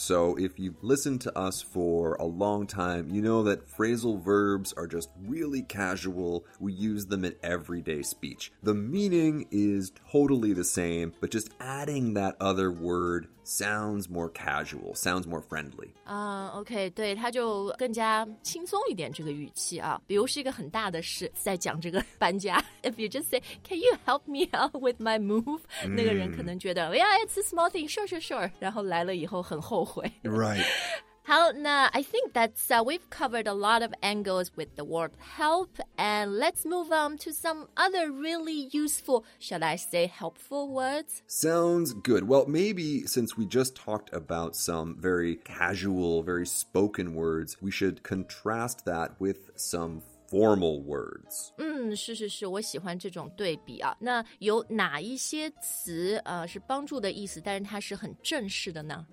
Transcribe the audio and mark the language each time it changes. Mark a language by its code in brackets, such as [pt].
[en] So if you've listened to us for a long time, you know that phrasal verbs are just really casual. We use them in everyday speech. The meaning is totally the same, but just adding that other word sounds more casual, sounds more friendly. [zh] Okay, 对，它就更加轻松一点这个语气啊。比如是一个很大的事，在讲这个搬家。 [en] If you just say, can you help me out with my move? [zh] 那个人可能觉得 [en] yeah, it's a small thing, sure, sure, sure. [zh] 然后来了以后很后悔。 [en] Right. [zh] 好，那 [en] I think that's, we've covered a lot of angles with the word help, and let's move on to some other really useful, shall I say, helpful words? Sounds good. Well, maybe since we just talked about some very casual, very spoken words, we should contrast that with some formal words. [zh] 嗯，是是是，我喜欢这种对比啊。那有哪一些词是帮助的意思，但是它是很正式的呢？